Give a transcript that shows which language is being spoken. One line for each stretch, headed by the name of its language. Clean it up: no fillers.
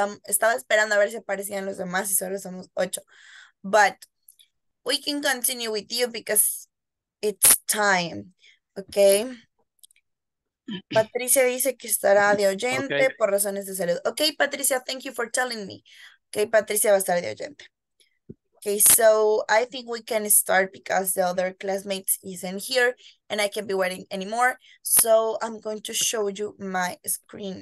Spanish: Estaba esperando a ver si aparecían los demás y solo somos 8.
English: But we can continue with you because it's time. Okay.
Spanish: Patricia dice que estará de oyente okay. Por razones de salud.
English: Okay, Patricia, thank you for telling me. Okay, Patricia
Spanish: va a estar de oyente.
English: Okay, so I think we can start because the other classmates isn't here and I can't be waiting anymore. So I'm going to show you my screen.